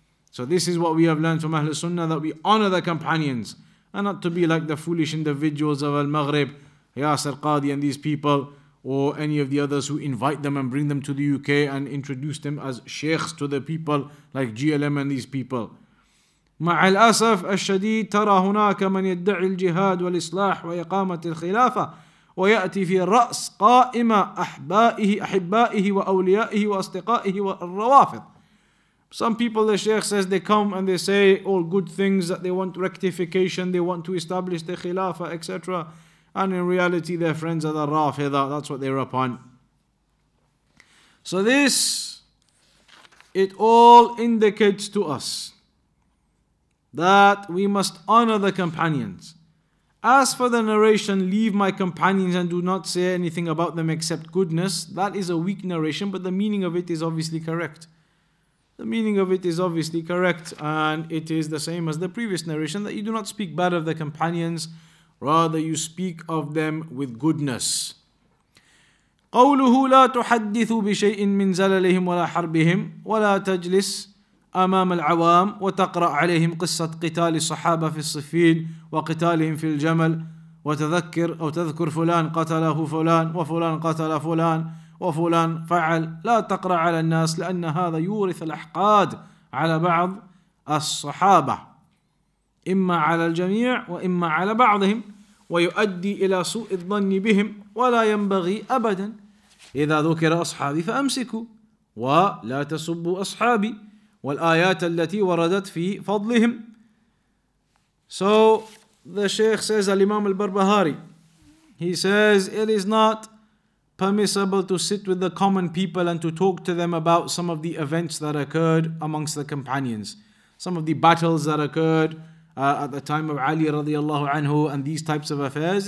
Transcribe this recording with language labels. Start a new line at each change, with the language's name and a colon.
English: So this is what we have learned from Ahlul Sunnah, that we honor the companions and not to be like the foolish individuals of Al-Maghrib, Yasir Qadi and these people, or any of the others who invite them and bring them to the UK and introduce them as sheikhs to the people like GLM and these people.
Arabic: مع الأسف الشديد ترى هناك من يدعي الجهاد والإصلاح وإقامة الخلافة ويأتي في رأس قائمة أحبائه وأوليائه وأصدقائه والروافض.
English: Some people, the sheikh says, they come and they say all good things, that they want rectification, they want to establish the khilafah, etc. And in reality, their friends are the Rafidah. That's what they're upon. So this, it all indicates to us that we must honor the companions. As for the narration, leave my companions and do not say anything about them except goodness, that is a weak narration, but the meaning of it is obviously correct. The meaning of it is obviously correct. And it is the same as the previous narration, that you do not speak bad of the companions, rather you speak of them with goodness.
Arabic: قوله لا تحدث بشيء من زللهم ولا حربهم ولا تجلس أمام العوام وتقرأ عليهم قصة قتال الصحابة في الصفين وقتالهم في الجمل وتذكر أو تذكر فلان قتله فلان وفلان قتل فلان وفلان فعل. لا تقرأ على الناس لأن هذا يورث الأحقاد على بعض الصحابة إما على الجميع وإما على بعضهم ويؤدي إلى سوء الظن بهم ولا ينبغي أبدا. إذا ذكر أصحابي فأمسكوا ولا تسبوا أصحابي والآيات التي وردت في فضلهم.
English: So the Sheikh says, Al-Imam al-Barbahari, he says, it is not permissible to sit with the common people and to talk to them about some of the events that occurred amongst the companions, some of the battles that occurred at the time of Ali radiallahu anhu and these types of affairs.